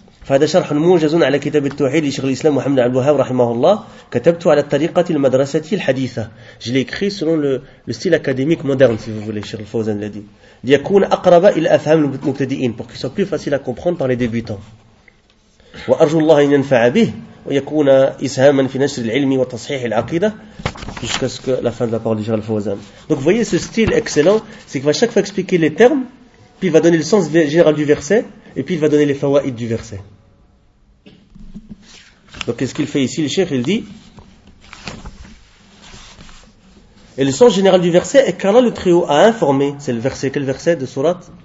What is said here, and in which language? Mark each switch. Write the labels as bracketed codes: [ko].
[ar] فهذا شرح موجز على كتاب التوحيد لشيخ الإسلام محمد عبد الوهاب رحمه الله كتبته على الطريقة المدرسة الحديثة. [fr] Je l'ai écrit selon le style académique moderne, si vous voulez, Cheikh Al-Fawzan l'a dit. [ar] ليكون أقرب إلى أفهام المبتدئين, [fr] pour qu'il soit plus facile à comprendre par les débutants. [ar] وأرجو الله أن ينفع به ويكون إسهاما في نشر العلم وتصحيح العقيدة [fr] jusqu'à ce que la fin de la parole de Cheikh Al-Fawzan. Donc vous voyez ce style excellent, c'est qu'il va chaque fois expliquer les termes, puis il va donner le sens général du verset. Et puis il va donner les fawa'id du verset. Donc qu'est-ce qu'il fait ici, le cheikh, il dit. Et le sens général du verset est qu'Allah le Très-Haut a informé. C'est le verset, quel verset de surat?